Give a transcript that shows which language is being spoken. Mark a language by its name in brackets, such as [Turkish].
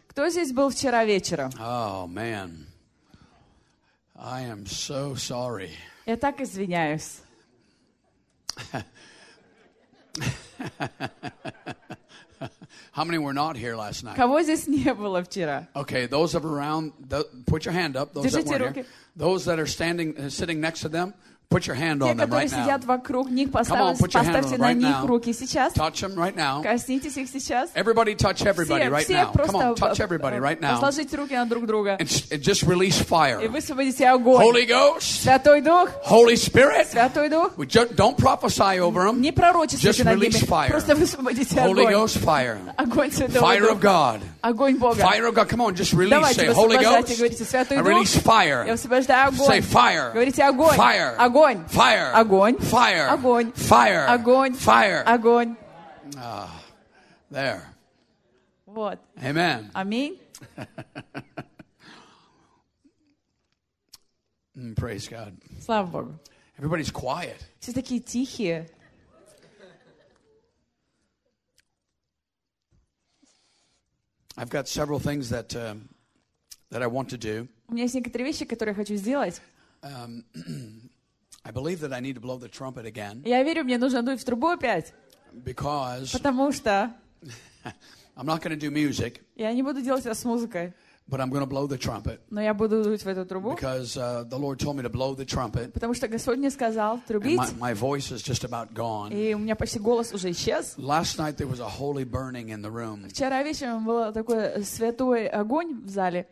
[Russian] Кто здесь был вчера вечером? [English] Oh man, I am so sorry. [Russian] Я так извиняюсь. [English] How many were not here last night? [Russian] Кого здесь не было вчера? [English] Okay, those of around, put your hand up. Those [Russian] держите [English] that [Russian] руки. [English] Here. Those that are standing, sitting next to them, put your hand on them right now. [Russian] Те, которые сидят вокруг них, поставьте на них руки сейчас. [English] Touch them right now. [Russian] Коснитесь их сейчас. [English] Everybody touch everybody [Russian] все, [English] right [Russian] все [English] now. Come on, touch everybody right now. [Russian] Положите руки на друг друга. [English] And just release fire. [Russian] И высвободите огонь. [English] Holy Ghost. [Russian] Святой Дух. [English] Holy Spirit. [Russian] Святой Дух. [English] We don't prophesy over them. [Russian] Не пророчествуйте над ними. [English] Just release fire. [Russian] Просто высвободите огонь. [English] Holy Ghost fire. [Russian] Огонь Святого Духа. [English] Fire of God. [Russian] Огонь Бога. [English] Fire of God. Come on, just release. Say Holy Ghost. [Russian] Давайте говорите Святой Дух. [English] I release fire. [Russian] Я высвобождаю огонь. [English] Say fire. [Russian] Говорите огонь. [English] Fire. Fire. [Russian] Огонь. [English] Fire. [Russian] Огонь. [English] Fire. [Russian] Огонь. [English] Fire. [Russian] Огонь. [English] Ah, there. [Russian] Вот. [English] Amen. [Russian] Аминь. [English] Praise God. [Russian] Слава Богу. [English] Everybody's quiet. [Russian] Все такие тихие. [English] I've got several things that that I want to do. [Russian] У меня есть некоторые вещи, которые я хочу сделать. [English] I believe that I need to blow the trumpet again. [Russian] Я верю, мне нужно дуть в трубу опять. [English] Because. [Russian] Потому что. [English] I'm not going to do music. [Russian] Я не буду делать это с музыкой. [English] But I'm going to blow the trumpet. [Russian] Но я буду дуть в эту трубу. [English] Because the Lord told me to blow the trumpet. [Russian] Потому что Господь мне сказал трубить. [English] And my voice is just about gone. [Russian] И у меня почти голос уже исчез. [English] Last night there was a holy burning in the room. [Russian] Вчера вечером был такой святой огонь в зале.